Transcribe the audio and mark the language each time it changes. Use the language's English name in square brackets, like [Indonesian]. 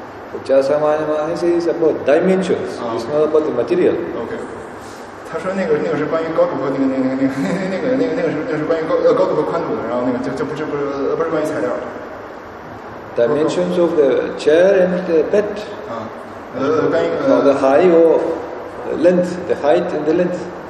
[English] Uchasamayamahasa is about dimensions, it's not about the material. Okay. [Chinese] 他说那个是关于高度和宽度的，然后那个就不是关于材料。 [English] Dimensions of the chair and the bed. The high or length, the height and the length.